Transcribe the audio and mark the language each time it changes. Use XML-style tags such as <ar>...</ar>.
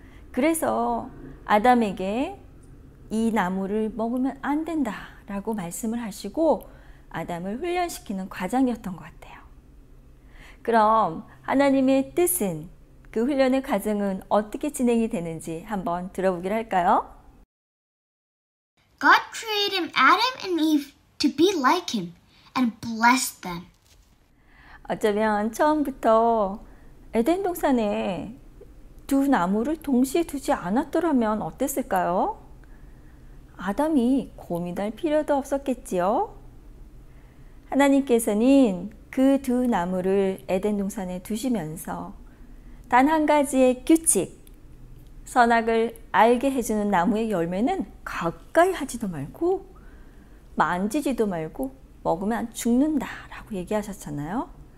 <ko>그래서 아담에게 이 나무를 먹으면 안 된다라고 말씀을 하시고 아담을 훈련시키는 과정이었던 것 같아요. 그럼 하나님의 뜻은, 그 훈련의 과정은 어떻게 진행이 되는지 한번 들어보기로 할까요?</ko> <en>God created Adam and Eve to be like him and bless them.</en> <ko>어쩌면 처음부터 에덴 동산에 두 나무를 동시에 두지 않았더라면 어땠을까요? 아담이 고민할 필요도 없었겠지요? 하나님께서는 그 두 나무를 에덴 동산에 두시면서 단 한 가지의 규칙, 선악을 알게 해주는 나무의 열매는 가까이 하지도 말고 만지지도 말고 먹으면 죽는다라고 얘기하셨잖아요.</ko>